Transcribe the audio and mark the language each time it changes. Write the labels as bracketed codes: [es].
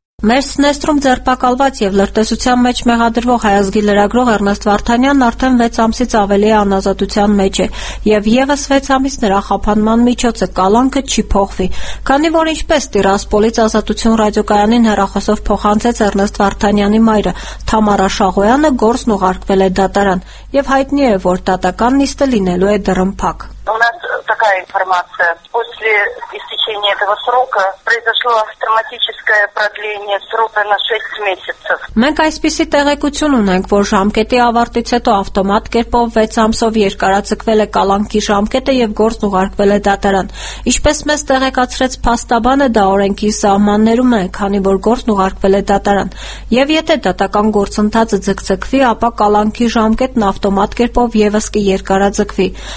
[hy] Մերս Նեստրում ձերպակալված և լրտեսության մեջ մեղադրվող հայազգի լրագրող Էրնեստ Վարդանյանն արդեն 6 ամսից ավելի է անազատության մեջ է, և ևս 6 ամիս նրա խափանման միջոցը կալանքը չի փոխվի։ Քանի որ ինչպես Տիրասպոլից ազատություն ռադիոկայանին հեռախոսով փոխանցեց Էրնեստ Վարդանյանի մայրը, Թամարա Շահոյանը գործն ուղարկվել է դատարան, և հայտնի է, որ դատական նիստը լինելու է դռնփակ։ [ru] У нас такая информация. После истечения этого срока произошло автоматическое продление срока на 6 месяцев. [hy] Մենք այսպիսի տեղեկություն ունենք, որ ժամկետի ավարտից հետո ավտոմատ կերպով 6 ամսով երկարացկվել է կալանքի ժամկետը եւ գործն ուղարկվել է դատարան։ Ինչպես մեզ տեղեկացրեց փաստաբանը, դա օրենքի սահմաններում է, քանի որ գործն ուղարկվել է դատարան։ Եվ եթե դատական գործընթացը ձգձգվի, ապա կալանքի ժամկետն ավտոմատ կերպով եւս կերկարացկվի։